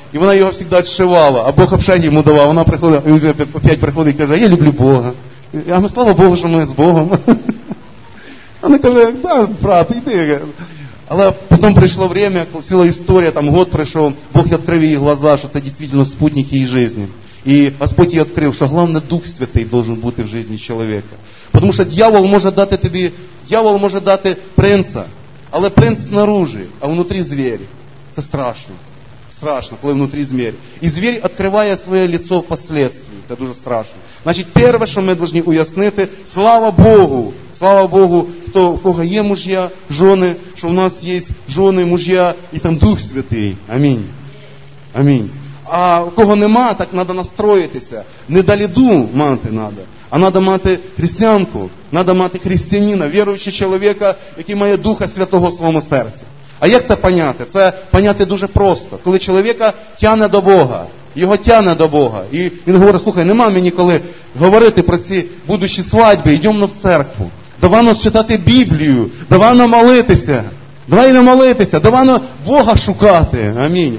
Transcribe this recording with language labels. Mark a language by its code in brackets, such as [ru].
[uk] І вона його завжди відшивала, а Бог обшень йому давав. Вона приходить, він вже опять приходить і каже, я люблю Бога. Я говорю, слава Богу, що ми з Богом. Вона каже, так, брат, іди. Але потім прийшло время, ціла історія, там год пройшов, Бог відкрив її глаза, що це дійсно спутник її житті. [ru] И Господь ей открыл, что главное, Дух Святой должен быть в жизни человека. Потому что дьявол может дать тебе, дьявол может дать принца, але принц снаружи, а внутри зверь. Это страшно. Страшно, когда внутри зверь. И зверь открывает свое лицо впоследствии. Это очень страшно. Значит, первое, что мы должны уяснить, слава Богу. Слава Богу, кто, у кого есть мужья, жены, что у нас есть жены, мужья, и там Дух Святой. Аминь. Аминь. А у кого нема, так надо настроиться. Не доліду мати надо, а надо мати христианку. Надо мати христианина, верующего человека, который має Духа Святого в своем сердце. [uk] А як це поняти? Це поняти дуже просто. Коли чоловіка тяне до Бога, його тяне до Бога, і він говорить, слухай, нема мені коли говорити про ці будущі свадьби, йдемо в церкву, давай нам читати Біблію, давай нам молитися, давай нам молитися, давай нам Бога шукати. Амінь.